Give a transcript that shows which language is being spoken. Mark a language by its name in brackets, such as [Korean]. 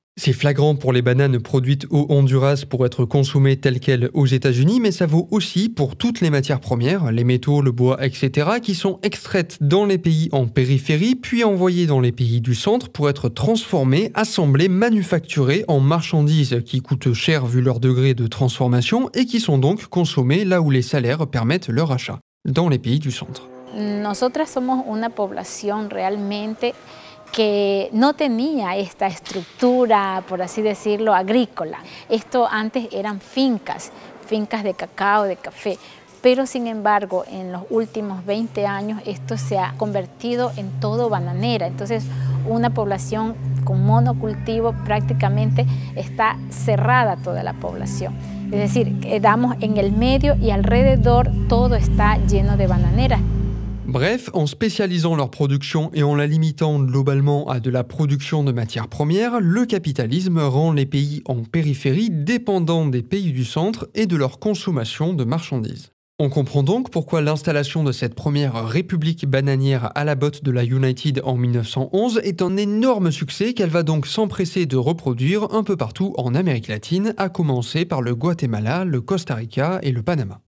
[French] C'est flagrant pour les bananes produites au Honduras pour être consommées telles quelles aux États-Unis, mais ça vaut aussi pour toutes les matières premières, les métaux, le bois, etc., qui sont extraites dans les pays en périphérie, puis envoyées dans les pays du centre pour être transformées, assemblées, manufacturées en marchandises qui coûtent cher vu leur degré de transformation et qui sont donc consommées là où les salaires permettent leur achat, dans les pays du centre. [Spanish] Nosotras somos una población realmente que no tenía esta estructura, por así decirlo, agrícola. Esto antes eran fincas de cacao, de café. Pero sin embargo, en los últimos 20 años, esto se ha convertido en todo bananera. Entonces, una población con monocultivo prácticamente está cerrada toda la población. Es decir, quedamos en el medio y alrededor todo está lleno de bananeras. [French] Bref, en spécialisant leur production et en la limitant globalement à de la production de matières premières, le capitalisme rend les pays en périphérie dépendants des pays du centre et de leur consommation de marchandises. On comprend donc pourquoi l'installation de cette première république bananière à la botte de la United en 1911 est un énorme succès qu'elle va donc s'empresser de reproduire un peu partout en Amérique latine, à commencer par le Guatemala, le Costa Rica et le Panama.